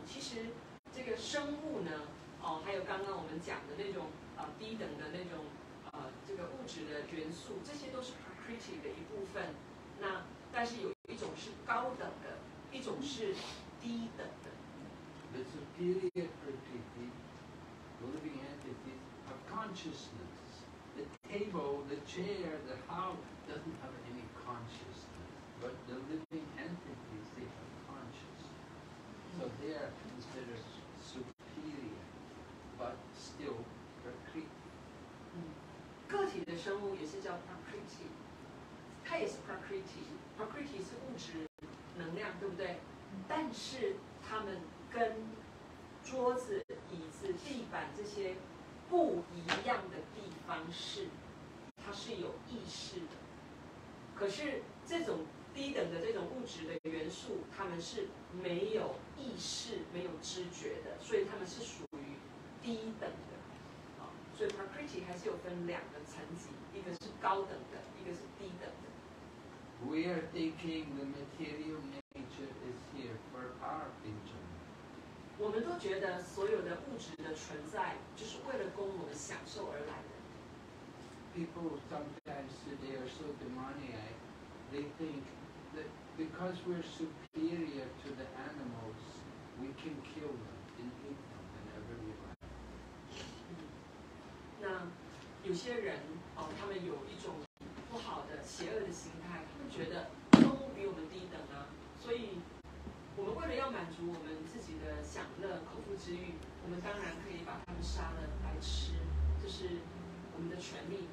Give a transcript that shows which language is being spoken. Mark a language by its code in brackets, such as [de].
[zh] 其实这个生物呢，哦，还有刚刚我们讲的那种低等的那种这个物质的元素，这些都是 Prakriti 的一部分。那但是有一种是高等的，一种是低等的。 [en] The superior Prakriti, the living entities have consciousness. The table, the chair, the house doesn't have any consciousness, but the living entities, they have consciousness. So they are considered superior, but still Prakriti. [zh] 个体的生物也是叫 Prakriti, 它也是 Prakriti. Prakriti 是物质能量，对不对？但是它们跟桌子、椅子、地板这些不一样的地方是，它是有意识的。可是这种低等的这种物质的元素，它们是没有意识、没有知觉的，所以它们是属于低等的。所以 Prakriti 还是有分两个层级，一个是高等的，一个是低等的。 [en] We are thinking the material nature is here for our enjoyment. [zh] 我们都觉得所有的物质的存在就是为了供我们享受而来的。 [en] People sometimes they are so demoniac, they think that because we're superior to the animals, we can kill them and eat them whenever we like. [zh] 那有些人哦，他们有一种不好的、邪恶的心态，他们觉得动物比我们低等啊，所以。我们为了要满足我们自己的享乐、口腹之欲，我们当然可以把他们杀了来吃，这是我们的权利。